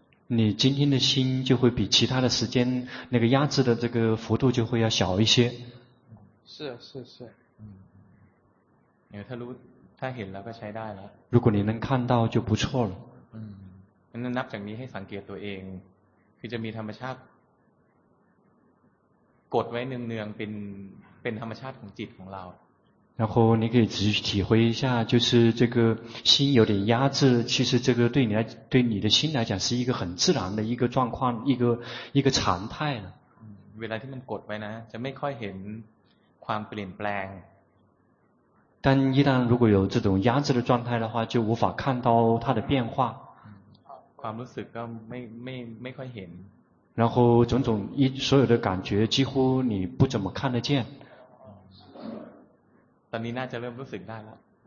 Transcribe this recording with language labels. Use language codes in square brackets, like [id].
[zh] ๆ你今天的心就会比其他的时间那个压制的这个幅度就会要小一些是是是 [th] 嗯ถ้ารู้ถ้าเห็นแล้วก็ใช้ได้แล้ว [zh] 如果你能看到就不错了 [th] นับจากนี้ให้สังเกตตัวเองคือจะมีธรรมชาติกดไว้เนืองๆเป็นธรรมชาติของจิตของเรา [zh] 然后你可以仔细体会一下就是这个心有点压制其实这个对你的心来讲是一个很自然的一个状况一个常态了 [th] เวลาที่มันกดไว้นะจะไม่ค่อยเห็นความเปลี่ยนแปลง [zh] 但一旦如果有这种压制的状态的话就无法看到它的变化 [th] ความรู้สึกก็ไม่ค่อยเห็น [zh] 然后种种一所有的感觉几乎你不怎么看得见 [th] ตอนนี้น่าจะเริ่มรู้สึกได้แล้ว